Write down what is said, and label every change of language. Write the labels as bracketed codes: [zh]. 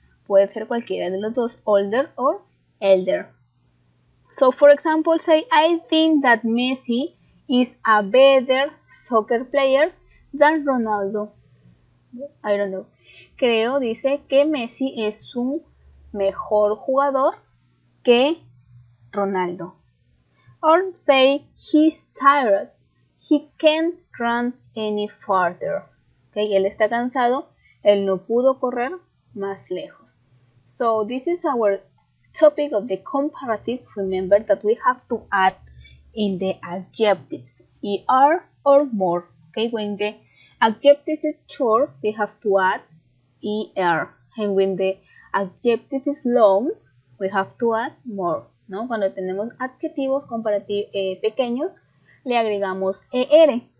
[es] Puede ser cualquiera de los dos, [en] older or elder. So, for example, say, I think that Messi is a better soccer player than Ronaldo. I don't know. [es] Creo, dice, que Messi es un mejor jugador que Ronaldo. [en] Or say he's tired, he can't run any farther. [es] Okay, él está cansado, él no pudo correr más lejos. [en] So this is our topic of the comparative. Remember that we have to add in the adjectives er or more. Okay, when the adjective is short, we have to add er, and when the adjective is long, we have to add more. [es] ¿No? Cuando tenemos adjetivos comparativos pequeños, le agregamos er.